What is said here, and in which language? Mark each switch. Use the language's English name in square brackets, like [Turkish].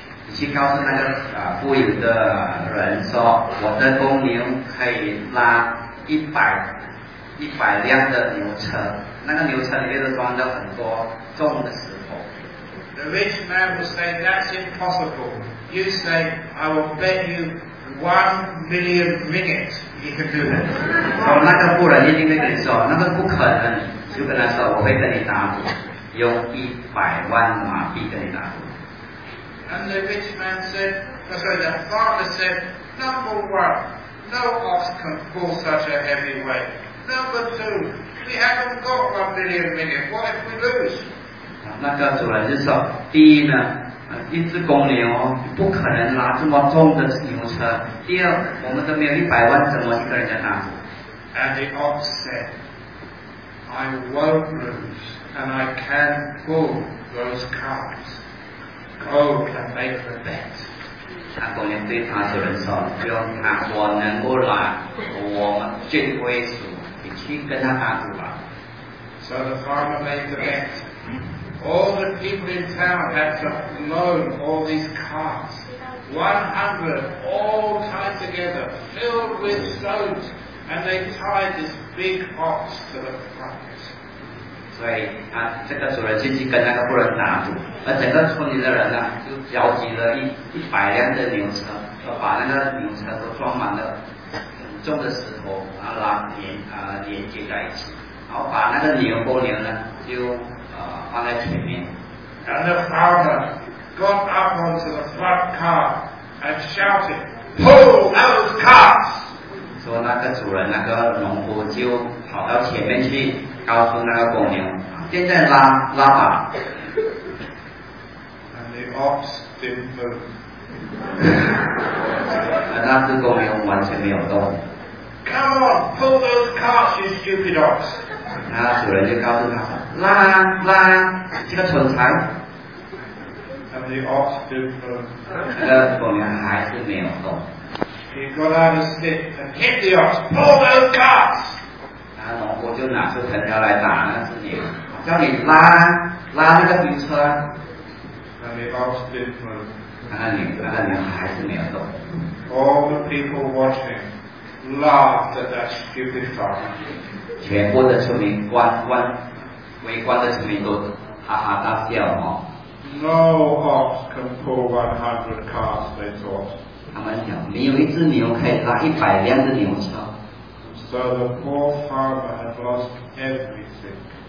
[Chinese] 你去告诉那个富有的人说，我的公牛可以拉100 一百辆的牛车，那个牛车里面都装着很多重的石头。 [English] The rich man will say, "That's impossible." You say, "I will bet you $1 million ringgit you can do that." [Chinese] 从那个富人一定会跟你说，那个不可能。就跟他说，我会跟你打赌，用一百万马币跟你打赌。 [English] And the rich man said, the farmer said, "Number one, no ox can pull such a heavy weight. Number two, we haven't got $1 million ringgit. What if we lose?" [Chinese] 那个主人就说，第一呢，一只公牛不可能拉这么重的牛车。第二，我们都没有一百万，怎么去跟人家打赌 [English] ？And the ox said, "I won't lose, and I can pull those cows." Oh, can make the bet. [Chinese] 他公牛对他主人说：“不用怕，我能够拉，我绝不会输。你去跟他打赌吧。” [English] So the farmer made the bet. All the people in town had to load all these carts, 100, all tied together, filled with stones, and they tied this big ox to the front. [Chinese] 所以他这个主人进去跟那个妇人打赌，而整个村里的人呢，就召集了一百辆的牛车，把那个牛车都装满了很重的石头，然后连接在一起，然后把那个牛公牛呢，就放在前面。 [English] And the farmer got up onto the front car and shouted, "Pull those carts!" [Chinese] 说那个主人那个农夫就跑到前面去。告诉那个公牛，现在拉拉吧。 [English] And the ox didn't move. [Chinese] 而那只公牛完全没有动。 [English] Come on, pull those carts, you stupid ox. [Chinese] 那主人就告诉他说，拉拉，这个蠢材。 [English] And the ox didn't move. [Chinese] 那公牛还是没有动。 [English] He got out his stick and hit the ox. Pull those carts. [Chinese] 那农夫就拿出藤条来打那只牛，叫你拉拉那个牛车。 [English] And the ox didn't move. [Chinese] 那个牛还是没有动。 [English] All the people watching laughed at that stupid farmer. [Chinese] 全部的村民围观的村民都哈哈大笑哦。 [English] No ox can pull 100 cars, they thought. [Chinese] 他们想，没有一只牛可以拉一百辆的牛车。 [English] So the poor farmer had lost everything.